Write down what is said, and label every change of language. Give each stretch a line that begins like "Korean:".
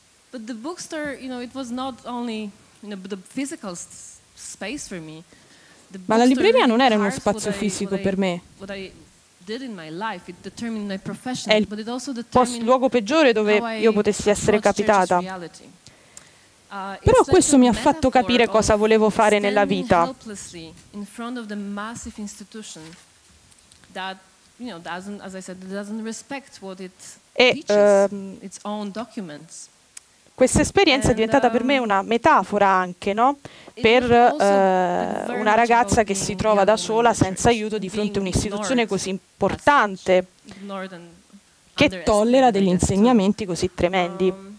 English: But the bookstore, it was not only the physical space for me.
Italian: Ma la libreria non era uno spazio fisico per me.
English: What I did in my life, it determined my profession.
Italian: È il luogo peggiore dove io potessi essere capitata. Però questo mi ha fatto capire cosa volevo fare nella vita.
English: In front of the massive institution that doesn't, as I said, doesn't respect what it teaches, its own documents.
Italian: Questa esperienza è diventata per me una metafora anche, no? Per una ragazza che si trova da sola, senza aiuto, di fronte a un'istituzione così importante, che tollera degli insegnamenti così tremendi.